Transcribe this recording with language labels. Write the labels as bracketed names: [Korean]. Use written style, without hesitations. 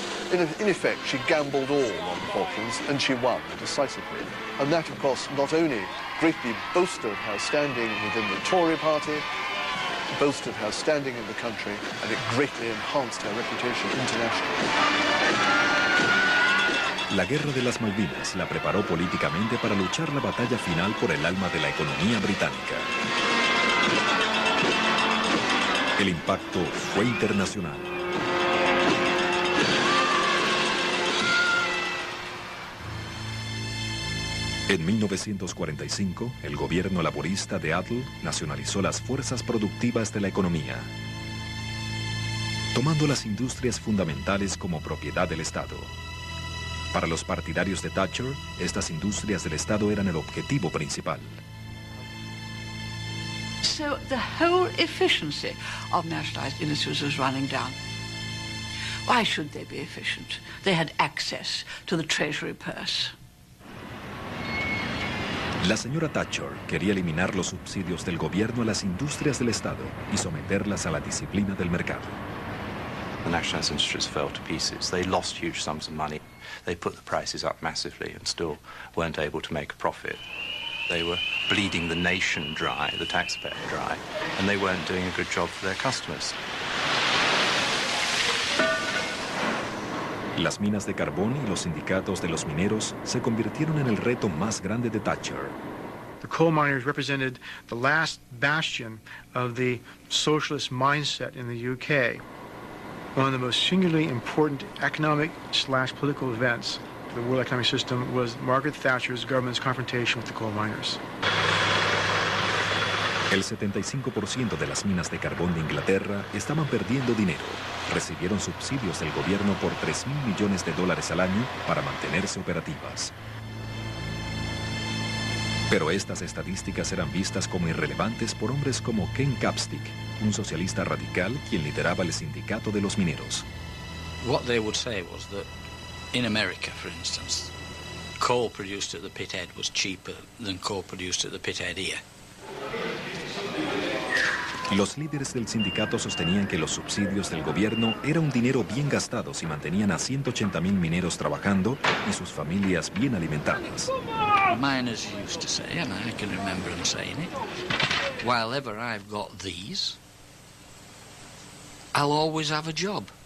[English] In effect, she gambled all on the Falklands, and she won decisively. And that, of course, not only greatly bolstered her standing within the Tory party, bolstered her standing in the country, and it greatly enhanced her reputation internationally. [Spanish] La guerra de las Malvinas la preparó políticamente para luchar la batalla final por el alma de la economía británica. El impacto fue internacional. En 1945, el gobierno laborista de Attlee nacionalizó las fuerzas productivas de la economía, tomando las industrias fundamentales como propiedad del Estado. Para los partidarios de Thatcher, estas industrias del Estado eran el objetivo principal. [English] So the whole efficiency of nationalized industries was running down. Why should they be efficient? They had access to the treasury purse. [Spanish] La señora Thatcher quería eliminar los subsidios del gobierno a las industrias del Estado y someterlas a la disciplina del mercado. [English] The nationalized industries fell to pieces. They lost huge sums of money. They put the prices up massively and still weren't able to make a profit. They were bleeding the nation dry, the taxpayer dry, and they weren't doing a good job for their customers. [Spanish] Las minas de carbón y los sindicatos de los mineros se convirtieron en el reto más grande de Thatcher. [English] The coal miners represented the last bastion of the socialist mindset in the UK. One of the most singularly important economic slash political events for the world economic system was Margaret Thatcher's government's confrontation with the coal miners. [Spanish] El 75% de las minas de carbón de Inglaterra estaban perdiendo dinero. Recibieron subsidios del gobierno por 3.000 millones de dólares al año para mantenerse operativas. Pero estas estadísticas eran vistas como irrelevantes por hombres como Ken Capstick, un socialista radical quien lideraba el sindicato de los mineros. [English] What they would say was that in America, for instance, coal produced at the pit head was cheaper than coal produced at the pit head here. [Spanish] Los líderes del sindicato sostenían que los subsidios del gobierno era un dinero bien gastado si mantenían a 180.000 mineros trabajando y sus familias bien alimentadas. [English] Miners used to say, and I can remember them saying it, while ever I've got these, I'll always have a job.